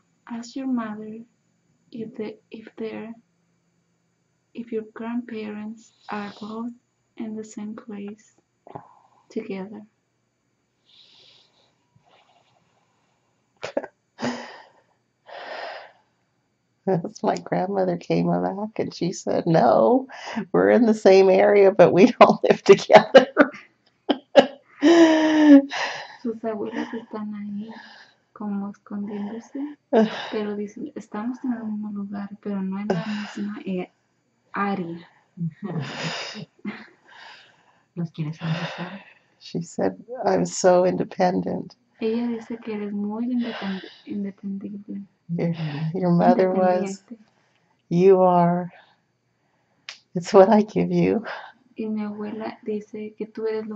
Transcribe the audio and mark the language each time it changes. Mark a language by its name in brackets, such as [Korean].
[English] Ask your mother if your grandparents are both in the same place together. My grandmother came back and she said, no, we're in the same area, but we don't live together. [Spanish] Sus abuelas están ahí como escondiéndose, pero dicen, estamos en el mismo lugar, pero no en la misma área. ¿Los quieres abrazar? [English] She said, I'm so independent. [Spanish] Ella dice que eres muy independiente. [English] Your mother was, you are, it's what I give you. [Spanish] Y mi abuela dice que tú eres lo